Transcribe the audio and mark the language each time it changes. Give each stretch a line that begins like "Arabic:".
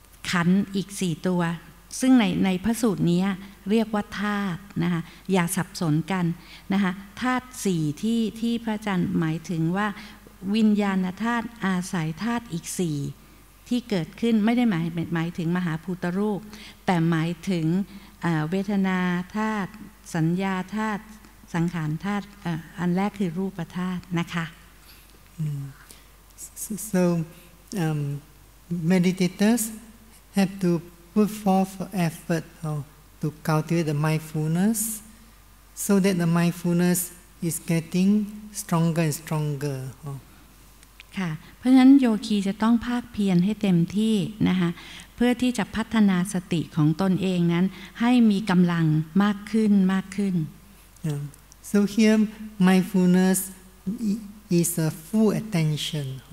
Thai: ขันธ์อีก4ตัวซึ่งในพระสูตรนี้เรียกว่าธาตุนะคะอย่าสับสนกันนะคะธาตุ4ที่พระอาจารย์หมายถึงว่าวิญญาณธาตุอาศัยธาตุอีก4ที่เกิดขึ้นไม่ได้หมายถึงมหาภูตรูปแต่หมายถึงเวทนาธาตุสัญญาธาตุสังขารธาตุอันแรกคือรูปธาตุนะคะ
English: So meditators have to put forth effort to cultivate the mindfulness so that the mindfulness is getting stronger and stronger
Thai: ค่ะเพราะฉะนั้นโยคีจะต้องภาคเพียรให้เต็มที่นะคะเพื่อที่จะพัฒนาสติของตนเองนั้นให้มีกำลังมากขึ้นมากขึ้น
English: So here, mindfulness is a full attention.